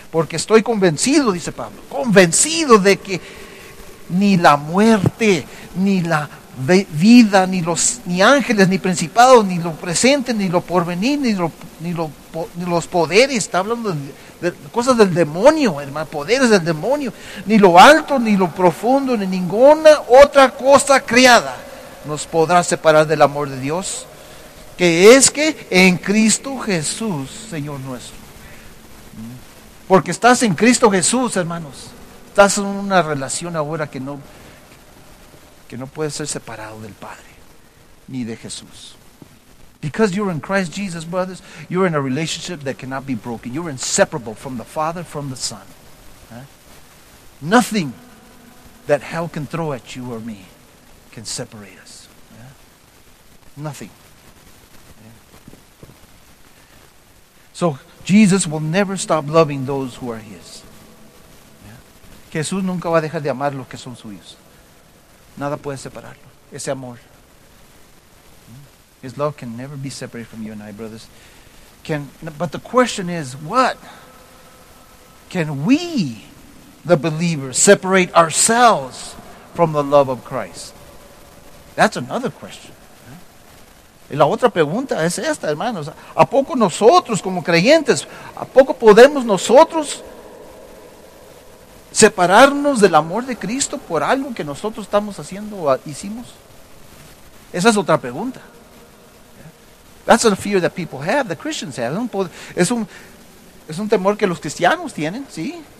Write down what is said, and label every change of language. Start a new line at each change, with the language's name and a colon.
Spanish: Porque estoy convencido, dice Pablo, convencido de que ni la muerte, ni la vida, ni ángeles, ni principados, ni lo presente, ni lo porvenir, ni los poderes, está hablando de cosas del demonio, hermano, poderes del demonio, ni lo alto, ni lo profundo, ni ninguna otra cosa creada nos podrá separar del amor de Dios, que es que en Cristo Jesús, Señor nuestro. Porque estás en Cristo Jesús, hermanos, estás en una relación ahora que no puede ser separado del Padre ni de Jesús.
English: Because you're in Christ Jesus, brothers, you're in a relationship that cannot be broken. You're inseparable from the Father, from the Son. Huh? Nothing that hell can throw at you or me can separate us. Yeah? Nothing. Yeah. So Jesus will never stop loving those who are His. Yeah?
Spanish: Jesús nunca va a dejar de amar los que son suyos. Nada puede separarlo. Ese amor.
English: His love can never be separated from you and I, brothers. But the question is, what can we, the believers, separate ourselves from the love of Christ? That's another question.
Spanish: Y la otra pregunta es esta, hermanos. ¿A poco nosotros, como creyentes, a poco podemos nosotros separarnos del amor de Cristo por algo que nosotros estamos haciendo o hicimos? Esa es otra pregunta.
English: That's a fear that people have, the Christians have.
Spanish: Es un temor que los cristianos tienen, ¿sí?